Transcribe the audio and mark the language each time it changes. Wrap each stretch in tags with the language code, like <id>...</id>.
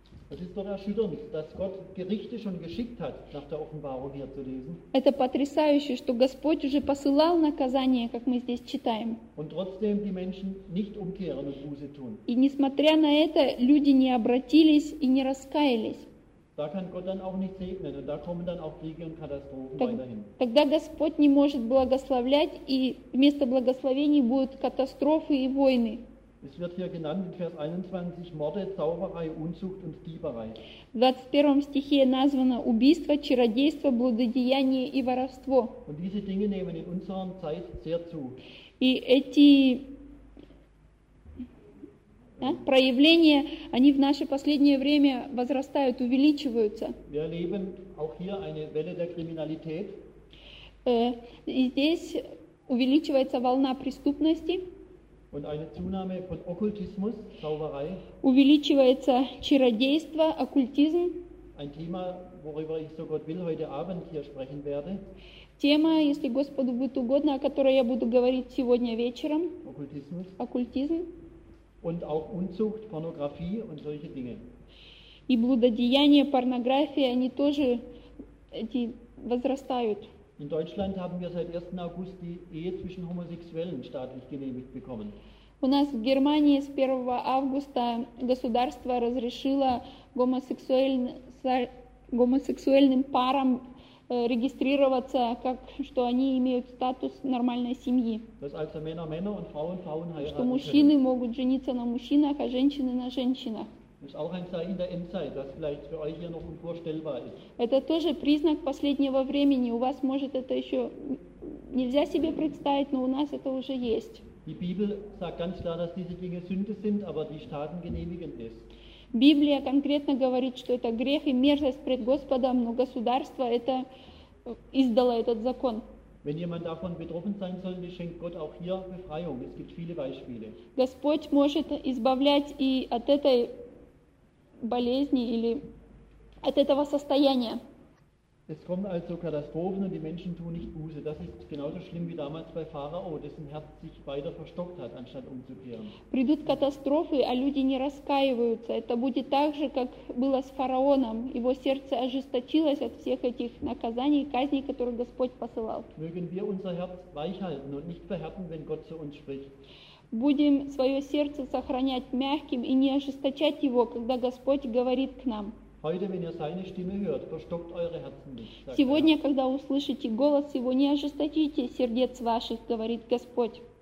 <de>Es ist doch erschütternd, dass Gott Gerichte schon geschickt hat, nach der Offenbarung hier zu lesen.</de> <ru>Это потрясающе, что Господь уже посылал наказание, как мы здесь читаем.</ru> <de>Und trotzdem die Menschen nicht umkehren und Buße tun.</de> <ru>И несмотря на это, люди не обратились и не раскаялись.</ru> <de>Da kann Gott dann auch nicht segnen und da kommen dann auch Kriege und Katastrophen weiterhin.</de> <ru>Тогда Господь не может благословлять и вместо благословений будут катастрофы и войны.</ru> <de>Es wird hier genannt in Vers 21 Morde, Zauberei, Unzucht und Dieberei.</de> <ru>В 21 стихе названо убийство, чародейство, блудодеяние и воровство.</ru> <de>Und diese Dinge nehmen in unserer Zeit sehr zu.</de> <ru>И эти проявления, они в наше последнее время возрастают, увеличиваются.</ru> <de>Wir erleben auch hier eine Welle der Kriminalität.</de> <ru>И здесь увеличивается волна преступности.</ru> <de>Und eine Zunahme von Okkultismus, Zauberei.</de> <ru>Увеличивается чародейство, оккультизм.</ru> <de>Ein Thema, worüber ich, so Gott will, heute Abend hier sprechen werde.</de> <ru>Тема, если Господу будет угодно, о которой я буду говорить сегодня вечером.</ru> <de>Оккультизмус.</de> <ru>Оккультизм.</ru> <de>Und auch Unzucht, Pornografie und solche Dinge.</de> <ru>И блудодеяние, порнография, они тоже эти возрастают.</ru> <de>In Deutschland haben wir seit 1. August die Ehe zwischen Homosexuellen staatlich genehmigt bekommen.</de> <ru>У нас в Германии с 1 августа государство разрешило гомосексуальным парам регистрироваться, как что они имеют статус нормальной семьи.</ru> <de>Dass also Männer Männer und Frauen Frauen heiraten.</de> <ru>Что мужчины могут жениться на мужчинах, а женщины на женщинах.</ru> <de>Das ist auch ein Zeichen der Endzeit, das vielleicht für euch hier noch unvorstellbar ist.</de> <ru>Это тоже признак последнего времени. У вас может это еще нельзя себе представить, но у нас это уже есть.</ru> <de>Die Bibel sagt ganz klar, dass diese Dinge Sünde sind, aber die Staaten genehmigen es.</de> <ru>Библия конкретно говорит, что это грех и мерзость пред Господом, но государство это издало этот закон.</ru> <de>Wenn jemand davon betroffen sein sollte, schenkt Gott auch hier Befreiung. Es gibt viele Beispiele.</de> <ru>Господь может избавлять и от этой болезни или от этого состояния.</ru> <de>Es kommen also Katastrophen und die Menschen tun nicht Buße. Das ist genauso schlimm wie damals bei Pharao, dessen Herz sich weiter verstockt hat, anstatt umzukehren.</de> <ru>Придут катастрофы, а люди не раскаиваются. Это будет так же, как было с фараоном. Его сердце ожесточилось от всех этих наказаний и казней, которые Господь посылал.</ru> <de>Mögen wir unser Herz weich halten und nicht verhärten, wenn Gott zu uns spricht.</de> <ru>Будем свое сердце сохранять мягким и не ожесточать его, когда Господь говорит к нам.</ru> <de>Heute, wenn ihr seine Stimme hört, verstockt eure Herzen nicht.</de> <ru>Сегодня, когда услышите голос его, не ожесточите сердец ваших, говорит Господь.</ru>